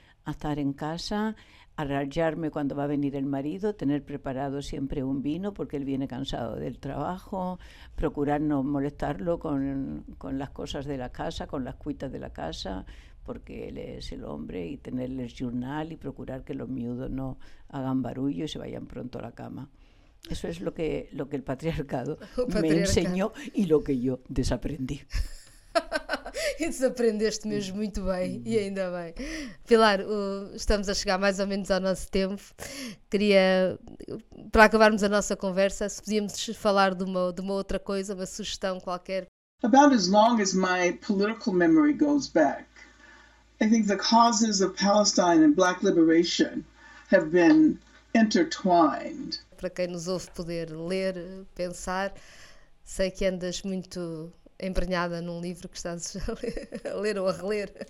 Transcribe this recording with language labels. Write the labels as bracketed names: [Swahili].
[Spanish] a estar en casa, a rayarme cuando va a venir el marido, tener preparado siempre un vino porque él viene cansado del trabajo, procurar no molestarlo con las cosas de la casa, con las cuitas de la casa, porque él es el hombre, y tenerle el journal y procurar que los [Portuguese] miudos [Spanish] no hagan barullo y se vayan pronto a la cama. Eso es lo que el patriarcado me enseñó y lo que yo desaprendí. [Portuguese] E desaprendeste mesmo muito bem, e ainda bem. Pilar, estamos a chegar mais ou menos ao nosso tempo. Queria, para acabarmos a nossa conversa, se podíamos falar de uma outra coisa, uma sugestão qualquer. [English] About as long as my political memory goes back, I think the causes of Palestine and Black liberation have been intertwined. [Portuguese] Para quem nos ouve poder ler, pensar, sei que andas muito emprenhada num livro que estás a ler ou a reler.